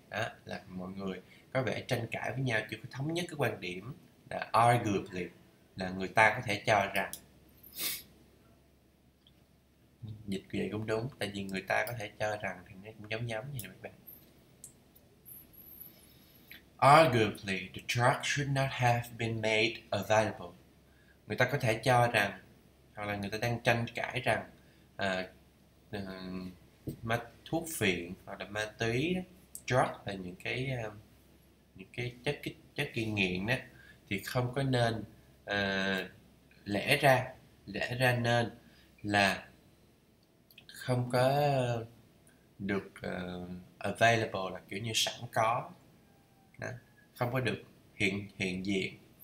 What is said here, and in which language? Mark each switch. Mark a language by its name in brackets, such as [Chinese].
[Vietnamese] Đó là mọi người có vẻ tranh cãi với nhau, chưa có thống nhất cái quan điểm. Là arguably là người ta có thể cho rằng. Dịch vậy cũng đúng, tại vì người ta có thể cho rằng thì nó cũng giống giống như vậy. [English] Arguably, the drug should not have been made available. [Vietnamese] Người ta có thể cho rằng, hoặc là người ta đang tranh cãi rằng mà thuốc phiện hoặc là ma túy, drug là những cái chất gây nghiện đó, thì không có nên lẽ ra nên là không có được available, là kiểu như sẵn có đó, không có được hiện diện.